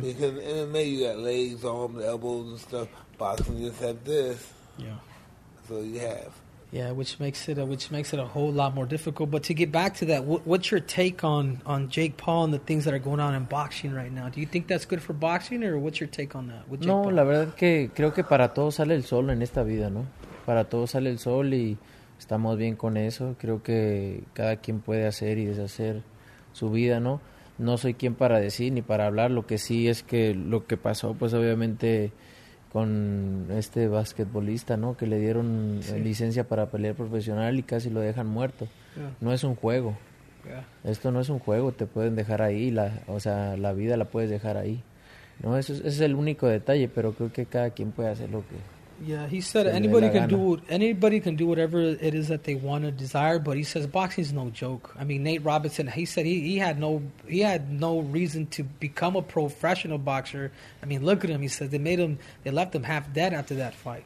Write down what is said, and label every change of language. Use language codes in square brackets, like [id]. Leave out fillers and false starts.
[en] Because in MMA, you got legs, arms, elbows, and stuff. Boxing, you just have this. Yeah. So you have. Yeah, which makes it a whole lot more difficult. But to get back to that, what's your take on Jake Paul and the things that are going on in boxing right now? Do you think that's good for boxing, or what's your take on that? [es] No, la verdad que creo que para todos sale el sol en esta vida, ¿no? Para todos sale el sol y estamos bien con eso. Creo que cada quien puede hacer y deshacer su vida, ¿no? No soy quien para decir ni para hablar. Lo que sí es que lo que pasó, pues obviamente... con este basquetbolista, ¿no? Que le dieron licencia para pelear profesional y casi lo dejan muerto. [en] Yeah. [es] No es un juego. [en] Yeah. [es] Esto no es un juego. Te pueden dejar ahí. La vida la puedes dejar ahí. No, ese es el único detalle, pero creo que cada quien puede hacer lo que... [en] Yeah, he said anybody can do whatever it is that they want to desire, but he says boxing is no joke. I mean, Nate Robinson, he said he had no reason to become a professional boxer. I mean, look at him. He says they left him half dead after that fight.